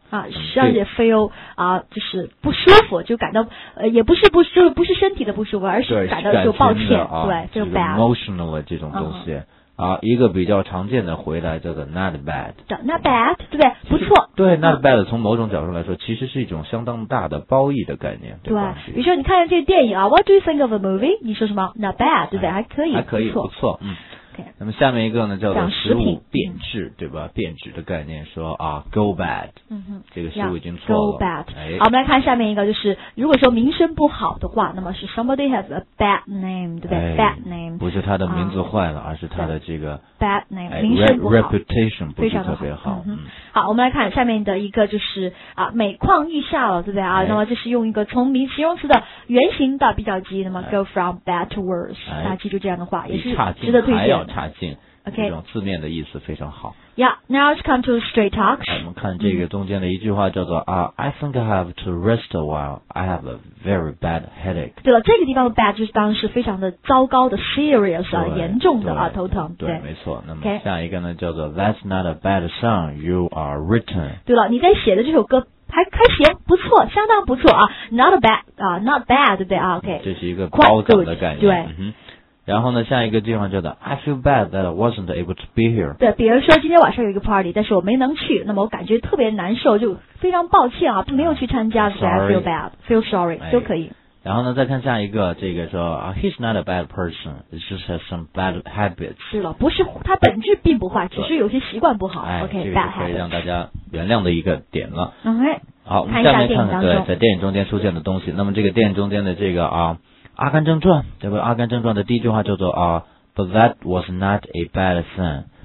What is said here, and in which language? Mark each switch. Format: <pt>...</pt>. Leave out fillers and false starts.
<zh>啊，实际上也 feel 啊，就是不舒服，就感到也不是不就是不是身体的不舒服，而是感到就抱歉，啊、对，就 bad。 emotional 这种东西。啊，一个比较常见的回答叫做</zh> <en>not bad， not bad，</en> <zh>对不对？不错。对 ，</zh> <en>not bad，</en> <zh>从某种角度来说，其实是一种相当大的褒义的概念。对, 对，比如说你看这个电影啊 ，</zh> <en>What do you think of a movie？</en> <zh>你说什么 ？</zh> <en>Not bad，</en> <zh>对不对？还可以，还可以，不错。嗯。那么下面一个呢，叫做食物变质，对吧？变质的概念说啊 ，</zh> <en>go bad，嗯哼，</en> <zh>这个食物已经错了。</zh> <en>Go bad。</en> <zh>好，我们来看下面一个，就是如果说名声不好的话，那么是</zh> <en>somebody has a bad name，</en> <zh>对不对 ？</zh> <en>Bad name。</en> <zh>不是他的名字坏了，而是他的这个</zh> <en>bad name，</en> <zh>名声不好，reputation 不是特别好。好，我们来看下面的一个，就是啊，每况愈下了，对不对啊？那么这是用一个从名形容词的原型到比较级，那么</zh> <en>go from bad to worse，</en> <zh>大家记住这样的话也是值得推荐。要差劲，这种字面的意思非常好。</zh> <en>Yeah, now let's come to straight talks.</en> <zh>我们看这个中间的一句话叫做啊、</zh> <en>I think I have to rest a while. I have a very bad headache.</en> <zh>对了，这个地方的 bad 就是当时非常的糟糕的 serious 啊，严重的啊，头疼。对，对没错。那么下一个呢，叫做</zh> <en>That's not a bad song you are written.</en> <zh>对了，你在写的这首歌。还行，不错，相当不错啊 ，</zh> <en>not a bad</en> <zh>啊、，</zh> <en>not bad</en> <zh>对不对啊 ？OK，这是一个褒奖的概念。对、然后呢，下一个地方叫做</zh> <en>I feel bad that I wasn't able to be here。</en> <zh>对，比如说今天晚上有一个 party， 但是我没能去，那么我感觉特别难受，就非常抱歉啊，没有去参加。</zh> <en>Sorry, I feel bad, feel sorry、</en> <zh>都可以。然后呢，再看下一个，这个说、</zh> <en>He's not a bad person, he just has some bad habits。</en> <zh>是了，不是他本质并不坏，只是有些习惯不好。</zh> <en>OK，</en> <zh>这个可以让大家原谅的一个点了。</zh> <en>OK，</en> <zh>好，我们下面看看对在电影中间出现的东西。那么这个电影中间的这个啊，《阿甘正传》，对不对？《阿甘正传》的第一句话叫做啊 ，</zh> <en>But that was not a bad thing。</en>